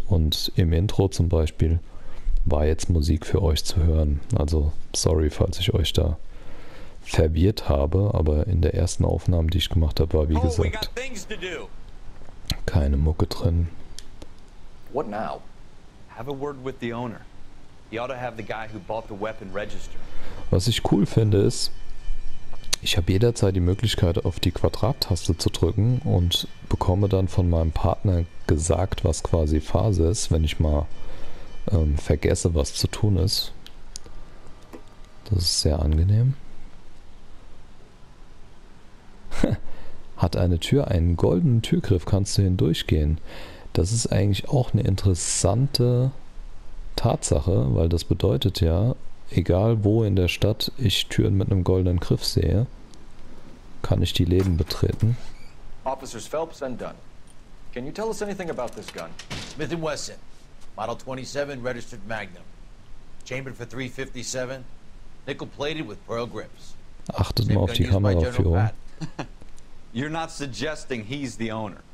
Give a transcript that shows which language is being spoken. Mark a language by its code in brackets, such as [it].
[de] Und im Intro zum Beispiel war jetzt Musik für euch zu hören. Also sorry, falls ich euch da verwirrt habe, aber in der ersten Aufnahme, die ich gemacht habe, war, wie gesagt, keine Mucke drin. [en] What now? Have a word with the owner. He ought to have the guy who bought the weapon registered. [de] Was ich cool finde, ist, ich habe jederzeit die Möglichkeit, auf die Quadrattaste zu drücken und bekomme dann von meinem Partner gesagt, was quasi Phase ist, wenn ich mal vergesse, was zu tun ist. Das ist sehr angenehm. Hat eine Tür einen goldenen Türgriff, kannst du hindurchgehen. Das ist eigentlich auch eine interessante Tatsache, weil das bedeutet ja, egal wo in der Stadt ich Türen mit einem goldenen Griff sehe, kann ich die Läden betreten. [en] Officer Phelps and Dunn. Can you tell us anything about this gun? Smith & Wesson. Model 27, registered Magnum. Chambered for 357. Nickel plated with pearl grips. [de] Achtet mal auf die Kameraführung. [en] You're not suggesting he's the owner.